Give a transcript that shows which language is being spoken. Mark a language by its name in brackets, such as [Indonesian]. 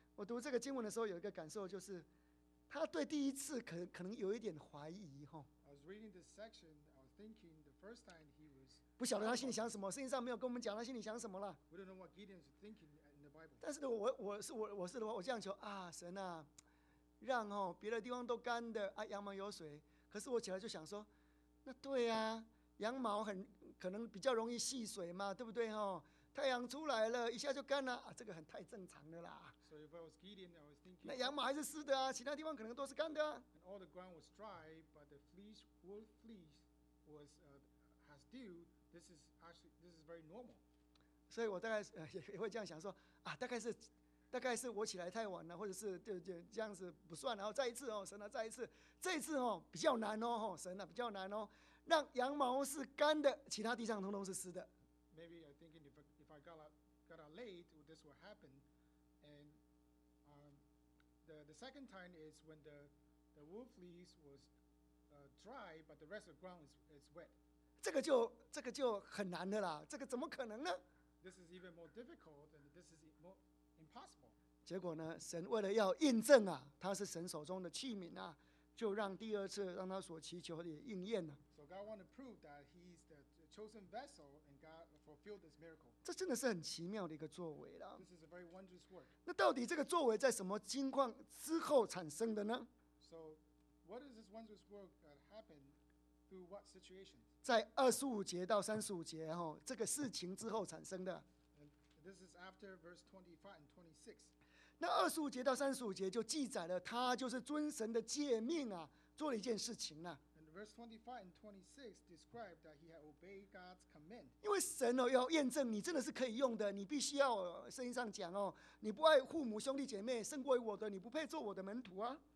[Chinese] 我读这个经文的时候有一个感受，就是他对第一次可能有一点怀疑。 [English] I was reading this section, I was thinking the first time he was. [Chinese] 不晓得他心里想什么，圣经上没有跟我们讲他心里想什么了。 [English] We don't know what Gideon is thinking in the Bible. [Chinese] 但是我是的话，我这样求啊，神啊，让哦别的地方都干的啊，羊毛有水。可是我起来就想说，那对啊，羊毛很可能比较容易吸水嘛，对不对哦？太阳出来了，一下就干了啊，这个很太正常的啦。 [English] So if I was Gideon, I was thinking, [Chinese] 那羊毛还是湿的啊，其他地方可能都是干的啊。 [English] And all the ground was dry, but the fleece, wool fleece, was has dew. This is very normal. [Chinese] 所以我大概也会这样想说啊，大概是我起来太晚了，或者是就这样子不算，然后再一次哦，神啊，再一次，这一次哦比较难哦，神啊比较难哦，让羊毛是干的，其他地上通通是湿的。 [English] Maybe I'm thinking if I got out late, this will happen. And the second time is when the wool fleece was dry, but the rest of the ground is wet. [Chinese] 这个就很难的啦，这个怎么可能呢？ [English] This is even more difficult, and this is more impossible. [Chinese] 结果呢，神为了要印证啊，他是神手中的器皿啊，就让第二次让他所祈求的也应验了。 [English] So God wanted to prove that he's the chosen vessel, and God fulfilled this miracle. [Chinese] 这真的是很奇妙的一个作为了。 [English] This is a very wondrous work. [Chinese] 那到底这个作为在什么情况之后产生的呢？ [English] So, what is this wondrous work that happened Through what situations? [Chinese] 在二十五节到三十五节，哦，这个事情之后产生的。 [English] And this is after verse 25 and 26. [Chinese] 那二十五节到三十五节就记载了他就是遵神的诫命啊，做了一件事情呢。 [English] And verse 25 and 26 describe that he had obeyed God's command. [Chinese] 因为神哦要验证你真的是可以用的，你必须要圣经上讲哦，你不爱父母兄弟姐妹胜过于我的，你不配做我的门徒啊。